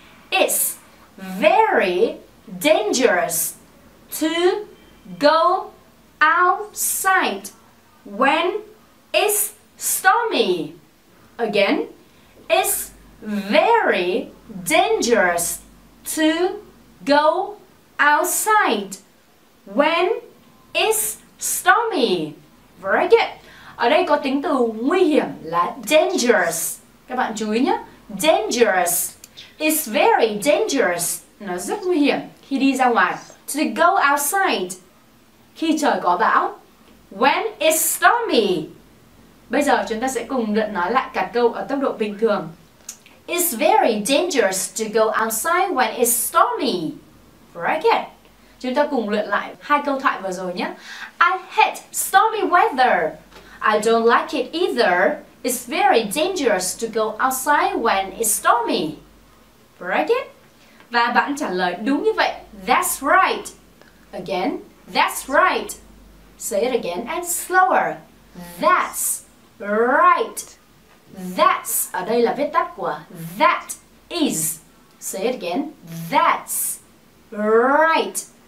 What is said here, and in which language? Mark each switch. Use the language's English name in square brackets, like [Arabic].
[English] It's very dangerous to go outside when it's stormy. Again, it's very dangerous to go outside when it's stormy. Very good. [Vietnamese] Ở đây có tính từ nguy hiểm là dangerous. Các bạn chú ý nhé. Dangerous. [English] It's very dangerous. [Vietnamese] Nó rất nguy hiểm khi đi ra ngoài. [English] To go outside. [Vietnamese] Khi trời có bão. [English] When it's stormy. [Vietnamese] Bây giờ chúng ta sẽ cùng luyện nói lại cả câu ở tốc độ bình thường. [English] It's very dangerous to go outside when it's stormy. Very good. [Vietnamese] Chúng ta cùng luyện lại hai câu thoại vừa rồi nhé. [English] I hate stormy weather. I don't like it either. It's very dangerous to go outside when it's stormy. Right? It? [Vietnamese] Và bạn trả lời đúng như vậy. [English] That's right. Again. That's right. Say it again and slower. That's right. [Vietnamese] That's, ở đây là viết tắt của [English] that is. Say it again. That's right.